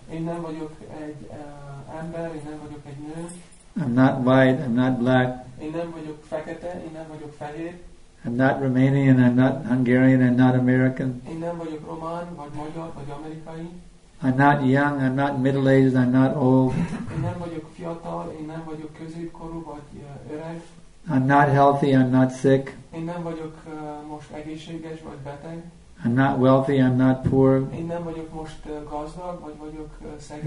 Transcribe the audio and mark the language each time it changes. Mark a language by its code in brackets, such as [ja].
[hu] Én nem vagyok egy ember, én nem vagyok egy nő. [en] I'm not white, I'm not black. [hu] Én nem vagyok fekete, én nem vagyok fehér. [en] I'm not Romanian, I'm not Hungarian, I'm not American. [hu] Én nem vagyok román, vagy magyar, vagy amerikai. [en] I'm not young, I'm not middle-aged, I'm not old. [hu] Én nem vagyok fiatal, én nem vagyok középkorú, vagy öreg. [en] I'm not healthy, I'm not sick. [hu] Én nem vagyok most egészséges, vagy beteg. [en] I'm not wealthy, I'm not poor. [hu] Én nem vagyok most gazdag, vagy vagyok szegény.